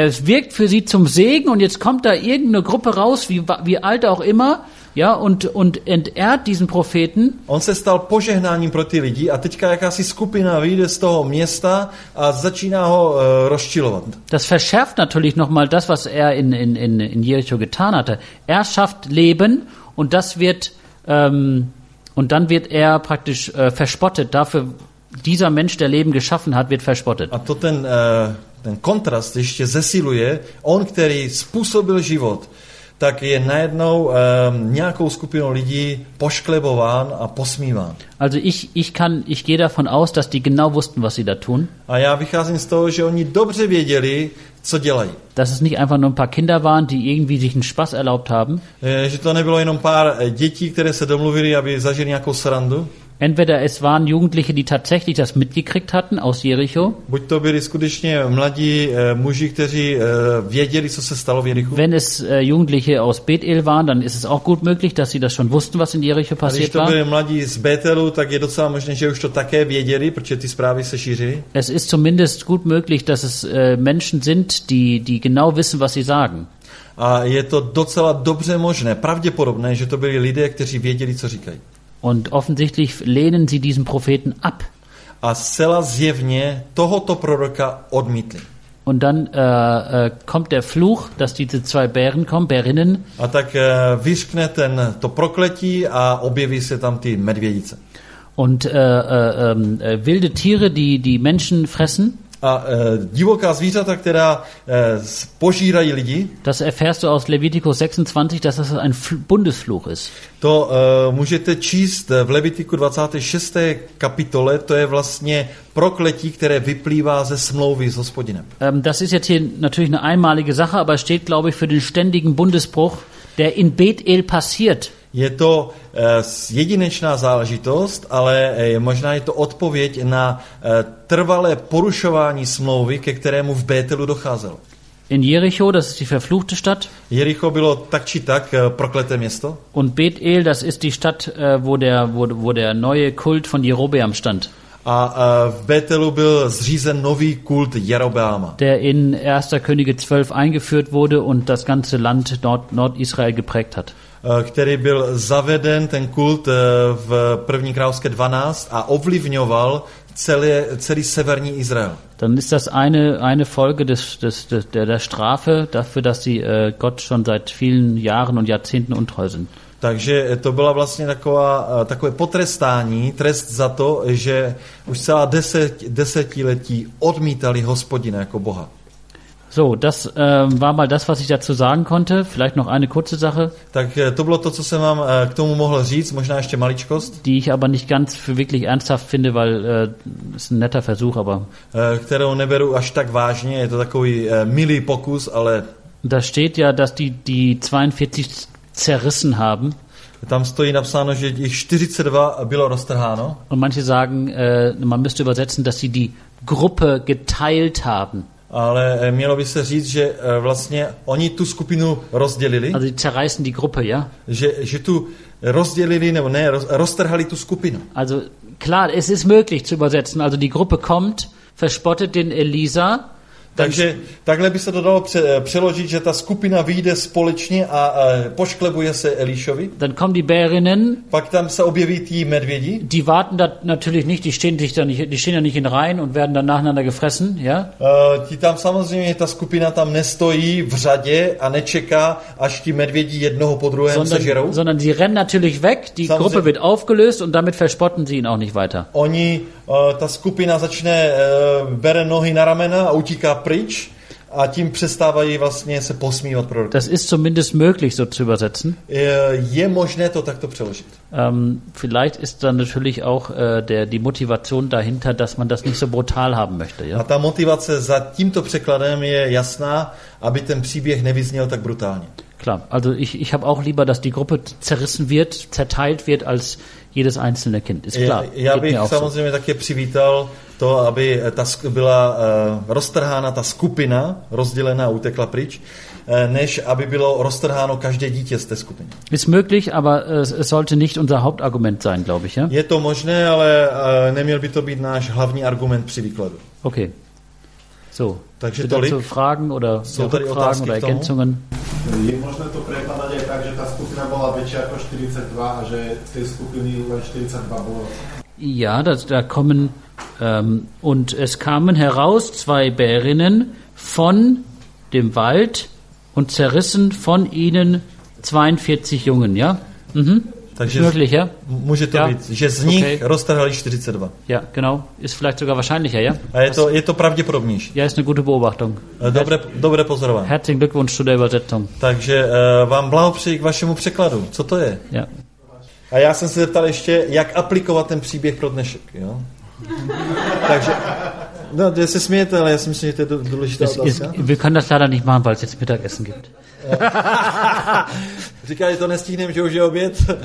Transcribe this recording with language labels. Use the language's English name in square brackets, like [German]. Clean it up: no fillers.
[German] Es wirkt für sie zum Segen und jetzt kommt da irgendeine Gruppe raus, wie alt auch immer, ja, und entehrt diesen Propheten. [Czech] On se stal požehnáním pro ty lidi a teďka jakási skupina vyjde z toho města a začíná ho rozčilovat. [German] Das verschärft natürlich nochmal das, was er in Jericho getan hatte. Er schafft Leben und das wird und dann wird er praktisch verspottet. Dafür dieser Mensch, der Leben geschaffen hat, wird verspottet. [Czech] A to ten kontrast ještě zesiluje. On, který způsobil život, tak je najednou nějakou skupinou lidí pošklebován a posmíván. [German] Also ich gehe davon aus, dass die genau wussten, was sie da tun. [Czech] A já vycházím z toho, že oni dobře věděli, co dělají. [German] Dass es nicht einfach nur ein paar Kinder waren, die irgendwie sich einen Spaß erlaubt haben. [Czech] Že to nebylo jenom pár dětí, které se domluvili, aby zažili nějakou srandu. [German] Entweder es waren Jugendliche, die tatsächlich das mitgekriegt hatten aus Jericho. [Czech] Buď to byli skutečně mladí muži, kteří věděli, co se stalo v Jerichu. [German] Wenn es Jugendliche aus Bethel waren, dann ist es auch gut möglich, dass sie das schon wussten, was in Jericho passiert war. [Czech] Když to byli mladí z Bethelu, tak je docela možné, že už to také věděli, protože ty zprávy se šířily. [German] Es ist zumindest gut möglich, dass es Menschen sind, die genau wissen, was sie sagen. [Czech] A je to docela dobře možné, pravděpodobné, že to byli lidé, kteří věděli, co říkají. [German] Und offensichtlich lehnen sie diesen Propheten ab. [Czech] A zcela zjevně tohoto proroka odmítli. [German] Und dann kommt der Fluch, dass diese zwei Bären kommen, Bärinnen. [Czech] A tak vyřkne ten to prokletí a objeví se tam ty medvědice. [German] Und wilde Tiere, die Menschen fressen. [Czech] A divoká zvířata, která požírají lidi. [German] Das erfährst du aus Levitikus 26, dass das ein Bundesfluch ist. [Czech] To můžete číst v Levitiku 26. kapitole, to je vlastně prokletí, které vyplývá ze smlouvy s Hospodinem. [German] Das ist jetzt hier natürlich eine einmalige Sache, aber steht glaube ich für den ständigen Bundesbruch, der in Bethel passiert. [Czech] Je to jedinečná záležitost, ale možná je to odpověď na trvalé porušování smlouvy, ke kterému v Bethelu docházelo. [German] In Jericho, das ist die verfluchte Stadt. [Czech] Jericho bylo tak či tak prokleté město. [German] Und Bethel, das ist die Stadt, wo der neue Kult von Jerobeam stand. [Czech] A v Bethelu byl zřízen nový kult Jerobeama. [German] Der in 1. Könige 12 eingeführt wurde und das ganze Land Nordisrael geprägt hat. [Czech] Který byl zaveden, ten kult, v první královské 12 a ovlivňoval celý severní Izrael. [German] Dann ist das eine Folge der Strafe dafür, dass sie Gott schon seit vielen Jahren und Jahrzehnten untreu sind. [Czech] Takže to byla vlastně takové potrestání, trest za to, že už celá desetiletí odmítali Hospodina jako Boha. [German] So, das war mal das, was ich dazu sagen konnte. Vielleicht noch eine kurze Sache. [Czech] Tak to bylo to, co jsem vám k tomu mohl říct, možná ještě maličkost. [German] Die ich aber nicht ganz für wirklich ernsthaft finde, weil es ein netter Versuch, aber... [Czech] Kterou neberu až tak vážně, je to takový milý pokus, ale... [German] Da steht ja, dass die 42 zerrissen haben. [Czech] Tam stojí napsáno, že jich 42 bylo roztrháno. [German] Und manche sagen, man müsste übersetzen, dass sie die Gruppe geteilt haben. [Czech] Ale mělo by se říct, že vlastně oni tu skupinu rozdělili. [German] Also zerreißen die Gruppe, ja? [Czech] Že tu rozdělili, nebo ne, roztrhali tu skupinu. [German] Also klar, es ist möglich zu übersetzen. Also die Gruppe kommt, verspottet den Elisa. [Czech] Takže takhle by se to dalo přeložit, že ta skupina vyjde společně a pošklebuje se Elišovi. [German] Dann kommen die Bärinnen. [Czech] Pak tam se objeví ti medvědi. [German] Die warten da natürlich nicht, die stehen ja nicht in Reihen und werden dann nacheinander gefressen, ja? [Czech] Ti tam samozřejmě ta skupina tam nestojí v řadě a nečeká, až ti medvědi jednoho po druhém sežerou. [German] Sondern sie rennen natürlich weg, die [Czech] samozřejmě. [German] Gruppe wird aufgelöst und damit verspotten sie ihn auch nicht weiter. [Czech] Oni ta skupina začne bere nohy na ramena a utíká pryč a tím přestávají vlastně se posmívat proroku. [German] Das ist zumindest möglich so zu übersetzen. [Czech] Je možné to takto přeložit. [German] Vielleicht ist dann natürlich auch die Motivation dahinter, dass man das nicht so brutal haben möchte, ja? [Czech] A ta motivace za tímto překladem je jasná, aby ten příběh nevyzněl tak brutálně. [German] Klar, also ich habe auch lieber, dass die Gruppe zerrissen wird, zerteilt wird, als jedes einzelne Kind, ist klar. [Czech] Ja bych samozřejmě také přivítal to, aby ta byla roztrhána ta skupina, rozdělená a utekla pryč, než aby bylo roztrháno každé dítě z té skupiny. [German] Ist möglich, aber es sollte nicht unser Hauptargument sein, glaube ich. Ja? [Czech] Je to možné, ale neměl by to být náš hlavní argument při výkladu. [German] Okay. So. [Czech] Takže tolik. [German] Fragen oder [Czech] jsou tady otázky [German] oder Ergänzungen? [Slovak] Je možné to prekladať aj tak, že ta skupina bola väčšia ako 42 a že tie skupiny len 42 bolo? [German] Ja, da kommen und es kamen heraus zwei Bärinnen von dem Wald und zerrissen von ihnen 42 Jungen, ja? [Czech] Mhm. Takže [German] möglich, ja? [Czech] Může to být, že z nich roztrhali 42. [German] Ja, genau. Ist vielleicht sogar wahrscheinlicher, ja? [Czech] A je to pravděpodobnější. [German] Ja, ist eine gute Beobachtung. [Czech] Dobré pozorování. [German] Herzlichen Glückwunsch zu der Übersetzung. [Czech] Takže vám blahopřeji k vašemu překladu. Co to je? [German] Ja. [Czech] A já jsem se zeptal ještě, jak aplikovat ten příběh pro dnešek, jo? Takže... No, já se smějete, ale já si myslím, že to je důležitá otázka. [German] Wir können das leider nicht machen, weil es jetzt Mittagessen gibt. [Czech] Říká, že to nestihneme, že už je oběd.